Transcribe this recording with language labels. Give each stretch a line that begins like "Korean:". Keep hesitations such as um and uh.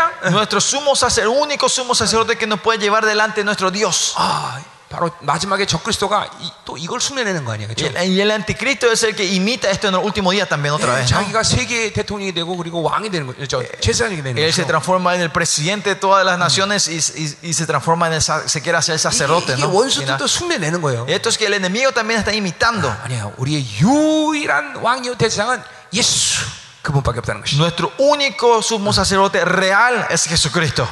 Spanish: nuestro sumo sacerdote, único sumo sacerdote que nos puede llevar delante nuestro Dios.
Korean: 바로 마지막에 적그리스도가 또 이걸 숙내내는 거 아니에요? 그렇죠?
Spanish: El anticristo es el que imita esto en el último día también otra vez.
Korean: 자기가 세계 대통령이 되고 그리고 왕이 되는 거죠. 최상이 되는 거죠.
Spanish: Él se transforma en el presidente de todas las naciones y se transforma en se quiere hacer sacerdote, ¿no?
Korean: 이게 원수들도 숙내내는 거예요.
Spanish: Esto es que el enemigo también está imitando.
Korean: 아니야, 우리의 유일한 왕이요 대상은 예수.
Spanish: Nuestro único sumo sacerdote real es Jesucristo.